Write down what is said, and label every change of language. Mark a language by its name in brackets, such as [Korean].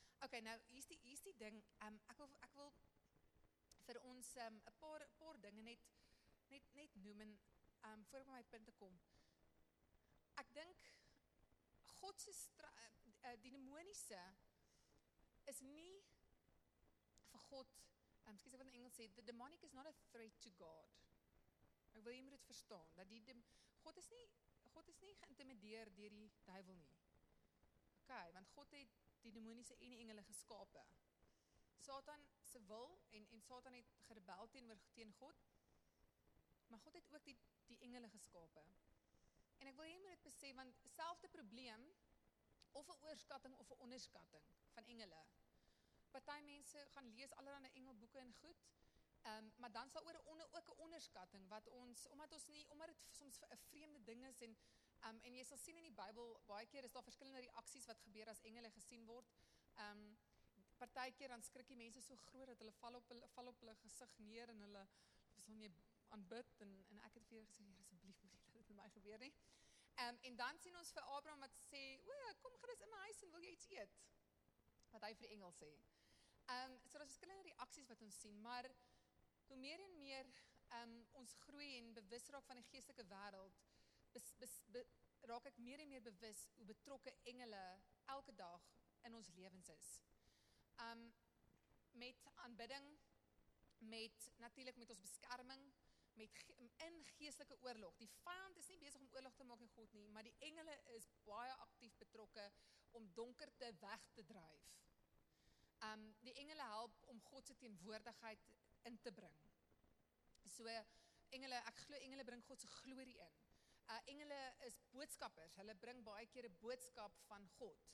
[Afrikaans] Ok, nou, hier is die ding, ek wil vir ons paar dinge net noem, en voor ek my punte kom, ek dink, Godse die demoniese is nie vir God, excuse ek wat in Engels sê, [English] the demonic is not a threat to God. [Afrikaans] Ek wil jy moet het verstaan, dat God is nie geïntimideer deur die duivel nie. Ok, want God het die demoniese en die engele geskape. Satan se wil en Satan het gerebel teen God, maar God het ook die engele geskape. En ek wil hê jy moet dit besef, want selfde probleem, of 'n oorskatting of 'n onderskatting van engele. Party mense gaan lees allerlei engelboeke en goed, maar dan sal ook 'n onderskatting, omdat dit soms 'n vreemde ding is, en jy sal sien in die Bybel, baie keer is daar verskillende reaksies wat gebeur as engele gesien word. Party keer dan skrik die mense so groot dat hulle val op hulle gesig neer en hulle sal nie aanbid, en ek het vir gesê, Here, asseblief moet nie dat dit met my gebeur nie. En dan sien ons vir Abraham wat sê, o, kom gerus in my huis en wil jy iets eet? Wat hy vir die engel sê. So daar is verskillende reaksies wat ons sien, maar hoe meer en meer ons groei en bewus raak van die geestelike wêreld, raak ek meer en meer bewus hoe betrokke engele elke dag in ons lewens is. Met aanbidding, met natuurlik met ons beskerming, met in geestelike oorlog. Die vyand is nie besig om oorlog te maak in God nie, maar die engele is baie aktief betrokke om donkerte weg te dryf. Die engele help om God se teenwoordigheid in te bring. So engele, ek glo engele bring God se glorie in. Engele is boodskappers, hulle bring baie keer 'n boodskap van God.